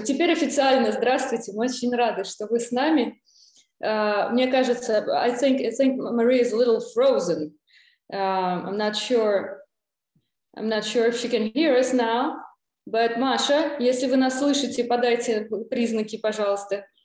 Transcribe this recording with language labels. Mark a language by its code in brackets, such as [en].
[ru] Теперь официально здравствуйте. Мы очень рады, что вы с нами. Мне кажется, [en] I think Maria is a little frozen. I'm not sure if she can hear us now. But [ru] Masha, если вы нас слышите, подайте признаки, пожалуйста.